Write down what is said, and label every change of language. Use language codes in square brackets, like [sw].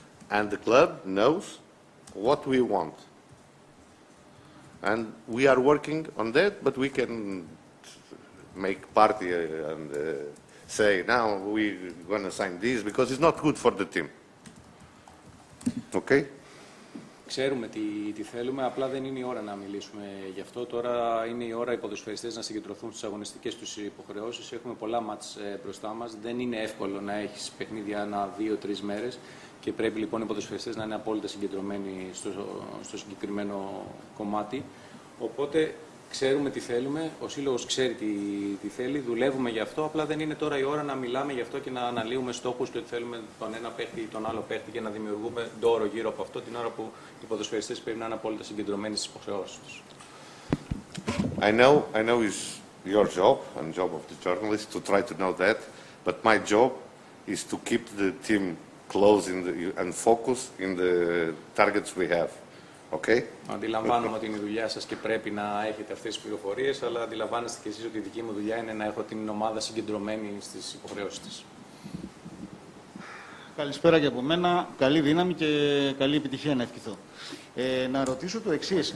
[en] And the club knows what we want. And we are working on that, but we can make party and say, now we're going to sign this, because it's not good for the team. Okay? [el] Ξέρουμε τι θέλουμε, απλά δεν είναι η ώρα να μιλήσουμε γι' αυτό. Τώρα είναι η ώρα οι ποδοσφαιριστές να συγκεντρωθούν στις αγωνιστικές τους υποχρεώσεις. Έχουμε πολλά μάτς μπροστά μας. Δεν είναι εύκολο να έχεις παιχνίδια ανά 2-3 μέρες. Και πρέπει λοιπόν οι ποδοσφαιριστές να είναι απόλυτα συγκεντρωμένοι στο συγκεκριμένο κομμάτι. Οπότε ξέρουμε τι θέλουμε, ο σύλλογος ξέρει τι θέλει, δουλεύουμε γι' αυτό. Απλά δεν είναι τώρα η ώρα να μιλάμε γι' αυτό και να αναλύουμε στόχους και ότι θέλουμε τον ένα παίχτη ή τον άλλο παίχτη και να δημιουργούμε ντόρο γύρω από αυτό, την ώρα που οι ποδοσφαιριστές πρέπει να είναι απόλυτα συγκεντρωμένοι στις υποχρεώσεις τους. [en] I know it's your job and job of the journalist to try to know that, but my job is to keep the team close and focus in the targets we have. Okay? [el] Αντιλαμβάνομαι ότι είναι η δουλειά σας και πρέπει να έχετε αυτές τις πληροφορίες, αλλά αντιλαμβάνεστε και εσείς ότι η δική μου δουλειά είναι να έχω την ομάδα συγκεντρωμένη στις υποχρεώσεις της. Καλησπέρα και από μένα. Καλή δύναμη και καλή επιτυχία να ευχηθώ. Να ρωτήσω το εξής.